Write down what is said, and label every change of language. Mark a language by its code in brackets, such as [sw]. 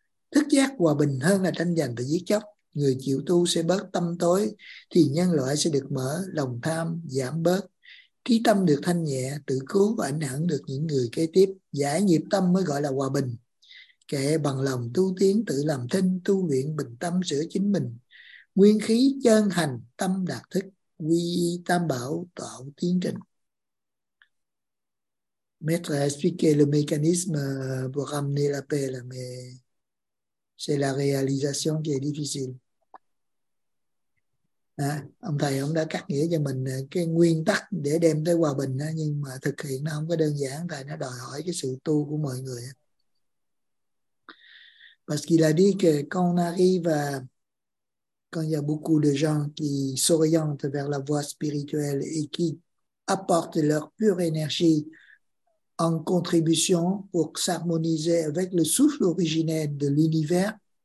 [vi] Thức giác hòa bình hơn là tranh giành và giết chóc. Người chịu tu sẽ bớt tâm tối thì nhân loại sẽ được mở, lòng tham giảm bớt, trí tâm được thanh nhẹ, tự cứu và ảnh hưởng được những người kế tiếp. Giải nghiệp tâm mới gọi là hòa bình. Kệ bằng lòng tu tiến, tự làm thinh, tu luyện bình tâm, sửa chính mình. Nguyên khí chân hành tâm đạt thức, quy y tam bảo tạo tiến trình. [fr] Maître a expliqué le mécanisme pour amener la paix, mais c'est la réalisation qui est difficile. [vi] À, ông thầy ông đã cắt nghĩa cho mình cái nguyên tắc để đem tới hòa bình, nhưng mà thực hiện nó không có đơn giản, tại nó đòi hỏi cái sự tu của mọi người. [fr] Parce qu'il a dit que quand on arrive à, quand il y a beaucoup de gens qui s'orientent vers la voie spirituelle et qui apportent leur pure énergie en contribution pour s'harmoniser avec le souffle originel de l'univers,